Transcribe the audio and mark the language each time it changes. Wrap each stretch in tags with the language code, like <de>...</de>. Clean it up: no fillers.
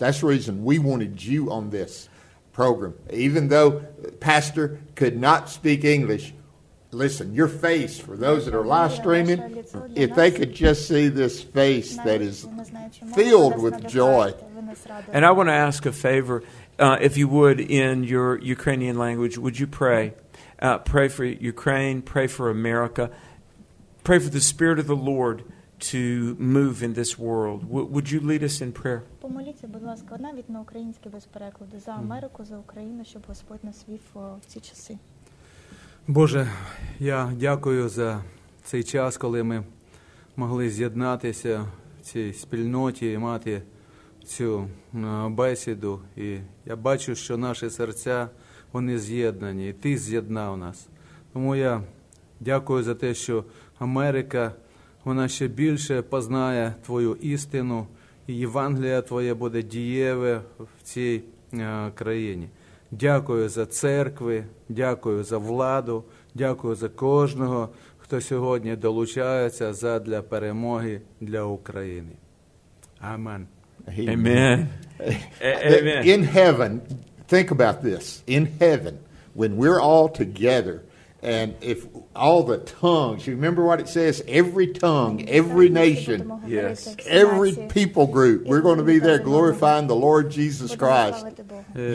<en>That's the reason we wanted you on this program. Even though Pastor could not speak English, listen, your face, for those that are live streaming, if they could just see this face that is filled with joy. And I want to ask a favor, if you would, in your Ukrainian language, would you pray? Pray for Ukraine, pray for America, pray for the Spirit of the Lord to move in this world. Would you lead us in prayer?</en> <uk>Помоліться, будь ласка, навіть на українське без перекладу за Америку, за Україну, щоб Господь нас вів в ці часи. Боже, я дякую за цей час, коли ми могли з'єднатися в цій спільноті і мати цю бесіду. І я бачу, що наші серця, вони з'єднані, і ти з'єднав нас. Тому я дякую за те, що Америка, вона ще більше познає Твою істину, і Євангелія Твоє буде дієве в цій країні. Дякую за церкви, дякую за владу, дякую за кожного, хто сьогодні долучається задля перемоги для України. Амен. Амен.</uk> <en>In heaven, think about this, in heaven, when we're all together And if all the tongues, you remember what it says? Every tongue, every nation, yes, every people group, we're going to be there glorifying the Lord Jesus Christ. Yeah.</en>